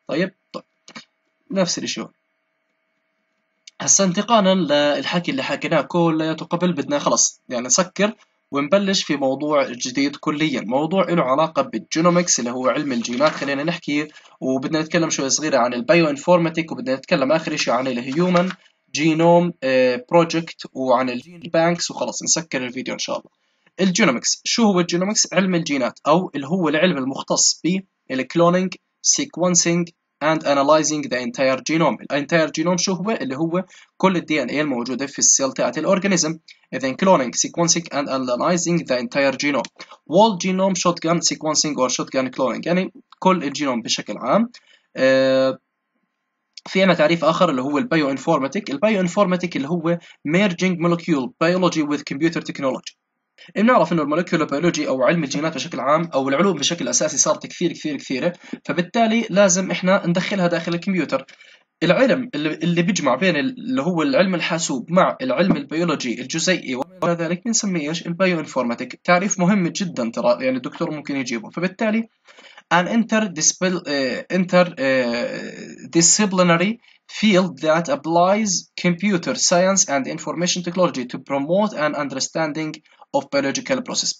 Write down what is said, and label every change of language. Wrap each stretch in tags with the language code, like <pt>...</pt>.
<ar>طيب نفس الشيء هسا انتقالا للحكي اللي حكيناه كله قبل بدنا خلص يعني نسكر ونبلش في موضوع جديد كليا، موضوع له علاقة بالجينومكس اللي هو علم الجينات خلينا نحكي، وبدنا نتكلم شوية صغيرة عن البايو انفورماتيك، وبدنا نتكلم آخر شيء عن الهيومن جينوم بروجكت وعن الجين بانكس وخلص نسكر الفيديو إن شاء الله. الجينومكس، شو هو الجينومكس؟ علم الجينات أو اللي هو العلم المختص بالكلونينج سيكونسينج and analyzing the entire genome. The entire genome شو هو؟ اللي هو كل الدي ان اي الموجودة في السيل تاعت الأورجانيزم.</ar> <en>Then cloning, sequencing and analyzing the entire genome. Whole genome shotgun sequencing or shotgun cloning.</en> <ar>يعني كل الجينوم بشكل عام. في عنا تعريف آخر اللي هو البيوانفورماتيك.</ar> <en>البيوانفورماتيك اللي هو merging molecule biology with computer technology.</en> <ar>بنعرف انه المولكيولر بيولوجي او علم الجينات بشكل عام او العلوم بشكل اساسي صارت كثير كثير كثيره، فبالتالي لازم احنا ندخلها داخل الكمبيوتر. العلم اللي بيجمع بين اللي هو العلم الحاسوب مع العلم البيولوجي الجزيئي وما ذلك بنسميه ايش؟ البايو انفورماتيك. تعريف مهم جدا ترى، يعني الدكتور ممكن يجيبه.</ar> <en>فبالتالي an interdisciplinary field that applies computer science and information technology to promote an understanding of biological process.</en>